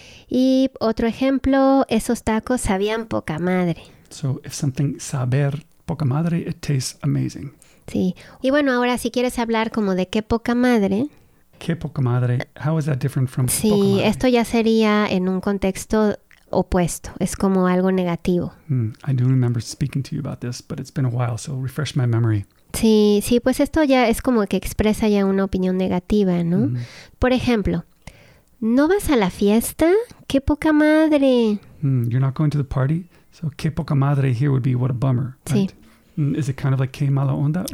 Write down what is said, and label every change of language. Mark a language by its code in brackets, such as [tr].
[es] Y otro ejemplo, esos tacos sabían poca madre. [en] So, if something [es] saber poca madre, [en] it tastes amazing. [es] Sí. Y bueno, ahora si quieres hablar como de qué poca madre. Qué poca madre. [en] How is that different from [es] sí, poca madre? Sí, esto ya sería en un contexto opuesto. Es como algo negativo. [en] I do remember speaking to you about this, but it's been a while, so refresh my memory. [es] Sí, sí, pues esto ya es como que expresa ya una opinión negativa, ¿no? Mm-hmm. Por ejemplo, ¿no vas a la fiesta? ¡Qué poca madre! [en] You're not going to the party? So, [es] ¿qué poca madre [en] here would be what a bummer, right? [es] Sí. [en] Is it kind of like [es] qué mala onda?